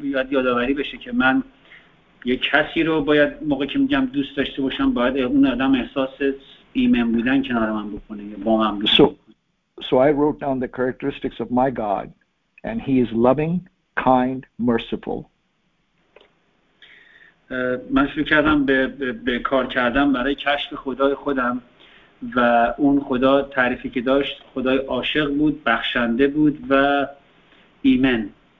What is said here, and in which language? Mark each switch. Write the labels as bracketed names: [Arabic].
[Persian] یادآوری بشه که من یه کسی رو باید موقع که میگم دوست داشته باشم، باید اون آدم احساس ایمن بودن کنار من بکنه، با من بکنه. [English] So I wrote down the characteristics of my God, and he is loving, kind, merciful. [Persian] من شروع کردم به کار کردم برای کشف خدای خودم، و اون خدا تعریفی که داشت خدای عاشق بود، بخشنده بود و ایمن.